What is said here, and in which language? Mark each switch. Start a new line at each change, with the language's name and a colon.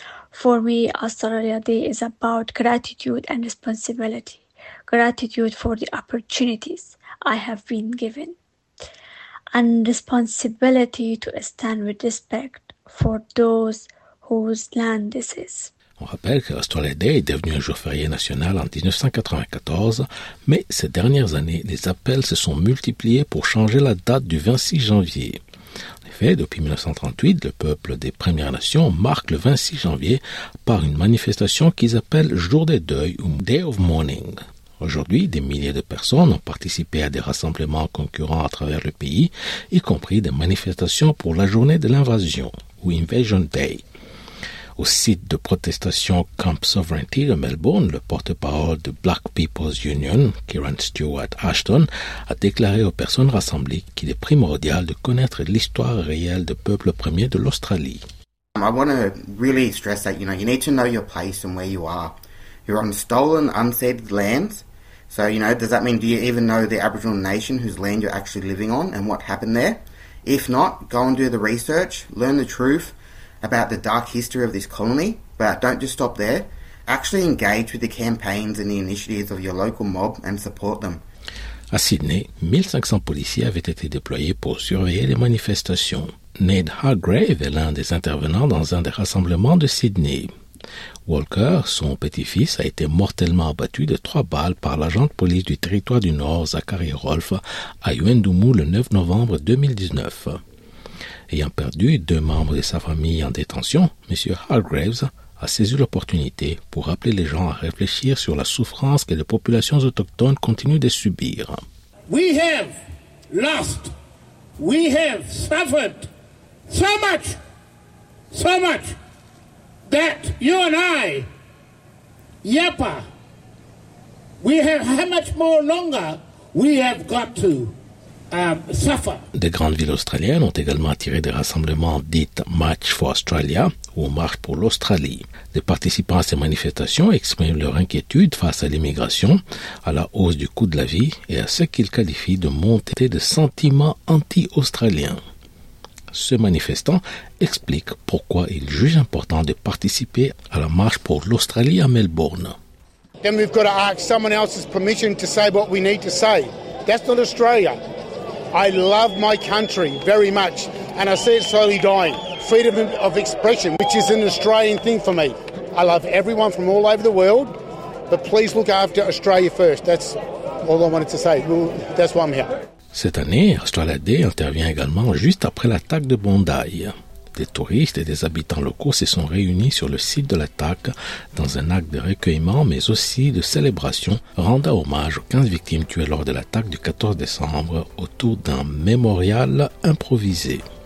English: For me, Australia Day is about gratitude and responsibility. Gratitude for the opportunities I have been given. And responsibility to stand with respect for those whose land this is.
French: On rappelle que Australia Day est devenu un jour férié national en 1994, mais ces dernières années, les appels se sont multipliés pour changer la date du 26 janvier. En effet, depuis 1938, le peuple des Premières Nations marque le 26 janvier par une manifestation qu'ils appellent « Jour des deuils » ou « Day of Mourning ». Aujourd'hui, des milliers de personnes ont participé à des rassemblements concurrents à travers le pays, y compris des manifestations pour la journée de l'invasion ou « Invasion Day ». Au site de protestation Camp Sovereignty de Melbourne, le porte-parole de Black People's Union, Kieran Stewart Ashton, a déclaré aux personnes rassemblées qu'il est primordial de connaître l'histoire réelle du peuple premier de l'Australie.
English: I want to really stress that, you know, you need to know your place and where you are. You're on stolen, unceded lands. So, you know, does that mean, do you even know the Aboriginal nation whose land you're actually living on and what happened there? If not, go and do the research, learn the truth about the dark history of this colony, but don't just stop there. Actually engage with the campaigns and the initiatives of your local mob and support them.
French: À Sydney, 1500 policiers avaient été déployés pour surveiller les manifestations. Ned Hargrave est l'un des intervenants dans un des rassemblements de Sydney. Walker, son petit-fils, a été mortellement abattu de 3 balles par l'agent de police du territoire du Nord, Zachary Rolfe, à Yuendumu le 9 novembre 2019. Ayant perdu 2 membres de sa famille en détention, M. Hargraves a saisi l'opportunité pour appeler les gens à réfléchir sur la souffrance que les populations autochtones continuent de subir.
English: We have lost, we have suffered so much, that you and I, Yapa, we have how much more longer we have got to.
French: Des grandes villes australiennes ont également attiré des rassemblements dits « March for Australia » ou « Marche pour l'Australie ». Les participants à ces manifestations expriment leur inquiétude face à l'immigration, à la hausse du coût de la vie et à ce qu'ils qualifient de montée de sentiments anti-australiens. Ce manifestant explique pourquoi il juge important de participer à la « Marche pour l'Australie » à Melbourne.
English: « Then we've got to ask someone else's permission to say what we need to say. That's not Australia. » I love my country very much, and I see it slowly dying. Freedom of expression, which is an Australian thing for me. I love everyone from all over the world, but please look after Australia first. That's all I wanted to say. That's why I'm here.
French: Cette année, Australia Day intervient également juste après l'attaque de Bondi. Des touristes et des habitants locaux se sont réunis sur le site de l'attaque dans un acte de recueillement mais aussi de célébration rendant hommage aux 15 victimes tuées lors de l'attaque du 14 décembre autour d'un mémorial improvisé.